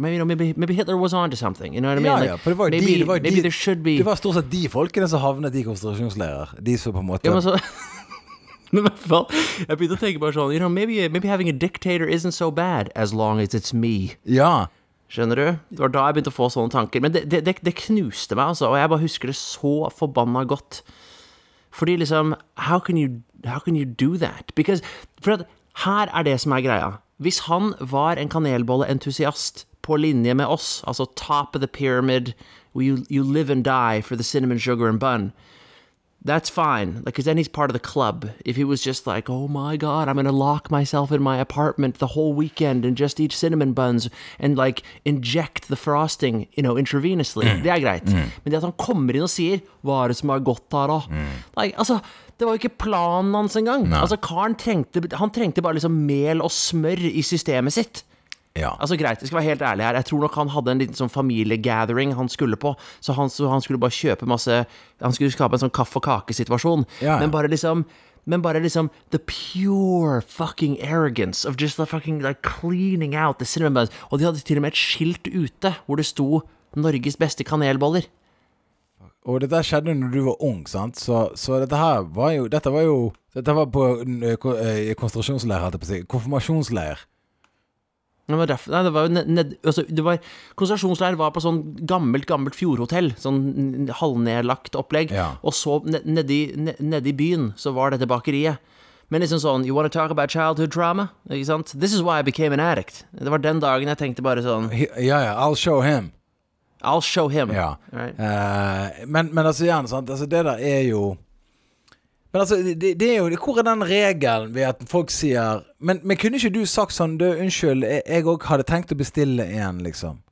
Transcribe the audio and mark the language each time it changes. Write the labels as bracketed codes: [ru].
[en] Maybe, you know, maybe Hitler was onto something. You know what I mean? [no] Ja, like, for det var [en] maybe, [no] det var [en] maybe there should be... [no] Det var stort sett de folkene som havnet I konsentrasjonsleirer. De som på en måte... Ja, men så... Men I hvert fall, jeg begynte å tenke bare sånn, [en] you know, maybe having a dictator isn't so bad as long as it's me. [no] Ja, skjønner du? Det var da jeg begynte å få sånne tanker. Men det knuste meg, altså. Og jeg bare husker det så forbannet godt. Fordi liksom, [en] how can you do that? Because, [no] for at, her det som greia. Hvis han var en kanelbolle-entusiast på linje med oss, altså [en] top of the pyramid, where you live and die for the cinnamon, sugar and bun, that's fine. Like, because then he's part of the club. If he was just like, oh my god, I'm going to lock myself in my apartment the whole weekend and just eat cinnamon buns and like inject the frosting, you know, intravenously. [no] Mm. Det greit. Mm. Men det at han kommer inn og sier, hva det som gått her da? Mm. Like, altså, det var jo ikke planen hans engang. No. Altså, karen trengte, han trengte bare liksom mel og smør I systemet sitt. Ja. Altså greit, jeg skal være helt ærlig her. Jeg tror nok han hadde en liten sånn familie-gathering han skulle på, så han skulle bare kjøpe masse. Han skulle skape en sånn kaffe- og kakesituasjon, ja. Men bare liksom [en] the pure fucking arrogance of just the fucking like cleaning out the cinnamon buns. [no] Og de hadde til og med et skilt ute hvor det sto Norges beste kanelboller. Og det der skjedde når du var ung, sant? Så dette her var jo, dette var på konsentrasjonsleir, hadde jeg på å si, konfirmasjonsleir. Nei, det var jo konsentrasjonsleir var på sånn gammelt fjordhotell, sånn halvnedlagt opplegg, ja. Og så ned I byen så var dette bakeriet. Men liksom sånn, [en] you want to talk about childhood trauma? [no] Ikke sant? [en] This is why I became an addict. [no] Det var den dagen jeg tenkte bare sånn, [en] ja, I'll show him. Ja, right. [no] Men altså igjen, sant? Altså, det der er jo... Men altså, det er jo, hvor den regelen ved at folk sier, men kunne ikke du sagt sånn, du, unnskyld, jeg også hadde tenkt å bestille en, liksom.